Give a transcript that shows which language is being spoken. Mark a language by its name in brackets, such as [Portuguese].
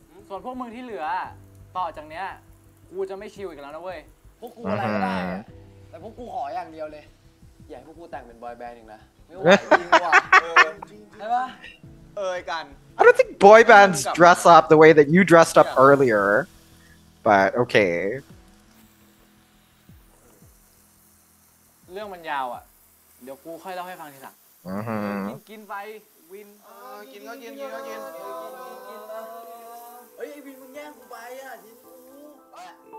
[Thai] ส่วนพวกมึงที่เหลือต่อจากเนี้ยกูจะไม่ชิลอีกแล้วนะเว้ย พวกกูอะไรก็ได้แต่พวกกูขออย่างเดียวเลยอยากให้พวกกูแต่งเป็นบอยแบนด์อีกนะไม่ไหวจริงว่ะใช่ปะ [English] กัน I don't think boy bands dress up the way that you dressed up earlier but okay [Thai] เรื่องมันยาวอ่ะเดี๋ยวกูค่อยเล่าให้ฟังทีหลังกินไปวิน กินก็กินกินก็กินเฮ้ยไอ้วินมึงแย่งกูไปอ่ะทิ้งกูร้อนอ่ะ